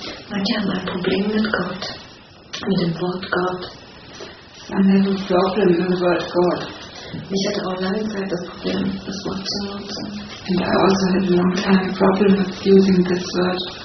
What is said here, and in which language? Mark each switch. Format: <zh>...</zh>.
<de>Manche haben ein Problem mit Gott, mit dem Wort Gott.</de> <en>Some have a problem with the word God.</en> <de>Ich hatte auch lange Zeit das Problem, das Wort zu nutzen.</de> <en>And I also had a long time a problem with using this word.</en>